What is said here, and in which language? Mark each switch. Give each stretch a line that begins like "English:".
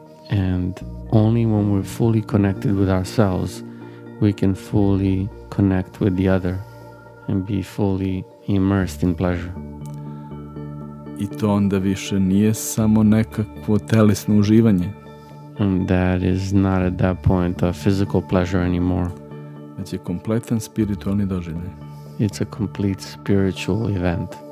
English: And only when we're fully connected with ourselves, we can fully connect with the other and be fully immersed in pleasure.
Serbian: I to onda više nije samo nekakvo telesno uživanje.
English: And that is not at that point a physical pleasure anymore.
Serbian: Već je kompletan spiritualni doživljaj.
English: It's a complete spiritual event.